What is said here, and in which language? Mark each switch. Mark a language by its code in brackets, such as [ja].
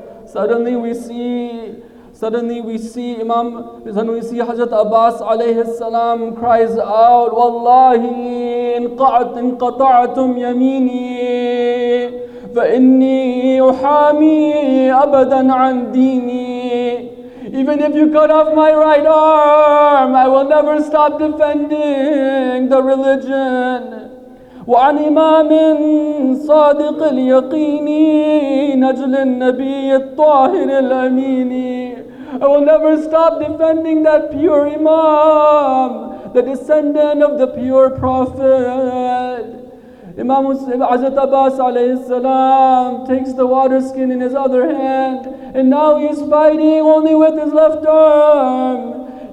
[en] Suddenly we see Hazrat Abbas alayhi salam cries out, [ar] Wallahi in qata'atum yamini. Fa'inni uhami abadan an dini. [en] Even if you cut off my right arm, I will never stop defending the religion. [ar] وعن إمام صادق اليقين نجل النبي الطاهر الأمين. [en] I will never stop defending that pure Imam, the descendant of the pure Prophet. Imam Hazrat Abbas alayhi salam takes the water skin in his other hand, and now he is fighting only with his left arm.